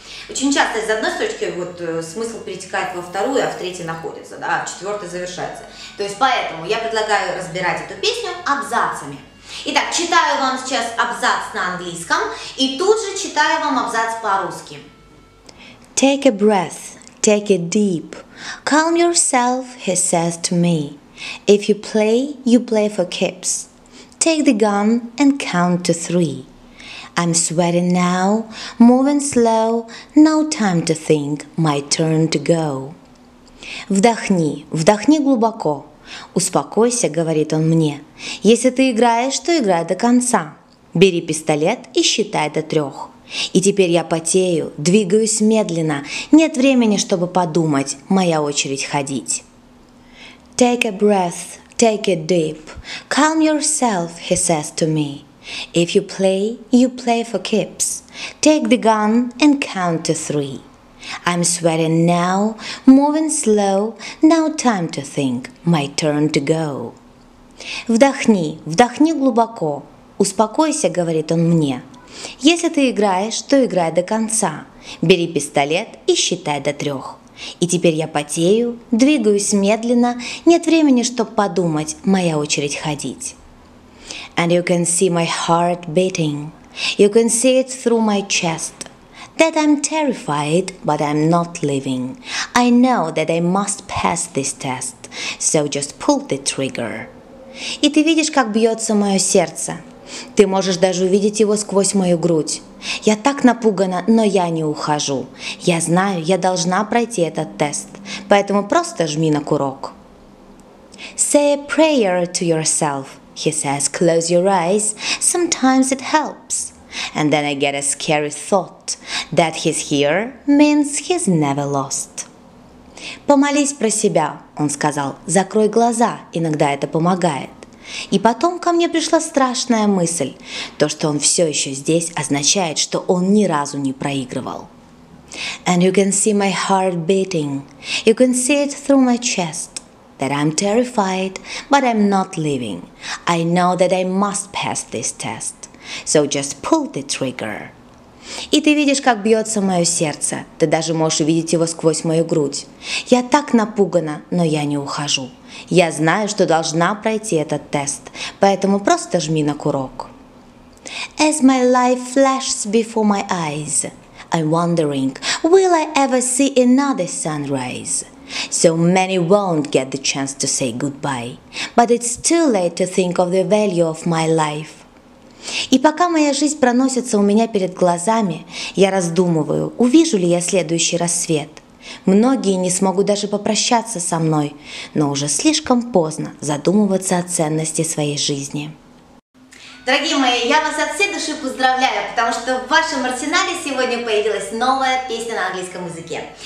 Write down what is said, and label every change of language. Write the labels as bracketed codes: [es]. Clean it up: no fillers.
[ru] Очень часто из одной строчки вот смысл перетекает во вторую, а в третьей находится, да, а в четвертой завершается. То есть поэтому я предлагаю разбирать эту песню абзацами. Итак, читаю вам сейчас абзац на английском и тут же читаю вам абзац по-русски. [en] Take a breath, take it deep. Calm yourself, he says to me. If you play for keeps. Take the gun and count to three. I'm sweating now, moving slow, no time to think, my turn to go. [ru] Вдохни, вдохни глубоко. Успокойся, говорит он мне. Если ты играешь, то играй до конца. Бери пистолет и считай до трех. И теперь я потею, двигаюсь медленно. Нет времени, чтобы подумать, моя очередь ходить. [en] Take a breath, take it deep. Calm yourself, he says to me. If you play for keeps. Take the gun and count to three. I'm sweating now, moving slow, no time to think, my turn to go. [ru] Вдохни, вдохни глубоко, успокойся, говорит он мне. Если ты играешь, то играй до конца, бери пистолет и считай до трех. И теперь я потею, двигаюсь медленно, нет времени, чтоб подумать, моя очередь ходить. [en] And you can see my heart beating. You can see it through my chest. That I'm terrified, but I'm not leaving. I know that I must pass this test. So just pull the trigger. [ru] И ты видишь, как бьется мое сердце. Ты можешь даже увидеть его сквозь мою грудь. Я так напугана, но я не ухожу. Я знаю, я должна пройти этот тест. Поэтому просто жми на курок. [en] Say a prayer to yourself. He says, close your eyes, sometimes it helps. And then I get a scary thought, that he's here means he's never lost. [ru] Помолись про себя, он сказал, закрой глаза, иногда это помогает. И потом ко мне пришла страшная мысль, то, что он все еще здесь, означает, что он ни разу не проигрывал. [en] And you can see my heart beating, you can see it through my chest. That I'm terrified, but I'm not leaving. I know that I must pass this test. So just pull the trigger. [ru] И ты видишь, как бьется мое сердце. Ты даже можешь увидеть его сквозь мою грудь. Я так напугана, но я не ухожу. Я знаю, что должна пройти этот тест. Поэтому просто жми на курок. [en] As my life flashes before my eyes, I'm wondering, will I ever see another sunrise? So many won't get the chance to say goodbye, but it's too late to think of the value of my life. [ru] И пока моя жизнь проносится у меня перед глазами, я раздумываю, увижу ли я следующий рассвет. Многие не смогут даже попрощаться со мной, но уже слишком поздно задумываться о ценности своей жизни. Дорогие мои, я вас от всей души поздравляю, потому что в вашем арсенале сегодня появилась новая песня на английском языке.